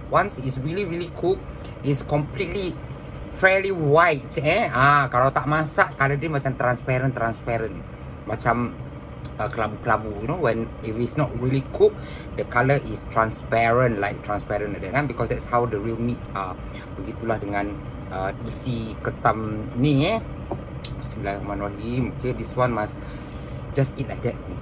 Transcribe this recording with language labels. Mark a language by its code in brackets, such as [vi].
[en] Once it's really really cooked, it's completely fairly white eh. [ms] Kalau tak masak, kalau dia macam transparent. Macam kelabu-kelabu, [en] you know, when if it's not really cooked, the color is transparent, like transparent like that, kan? Because that's how the real meats are. [ms] Begitulah dengan isi ketam ni eh. [ar] Bismillahirrahmanirrahim. [en] Okay, this one must just eat like that.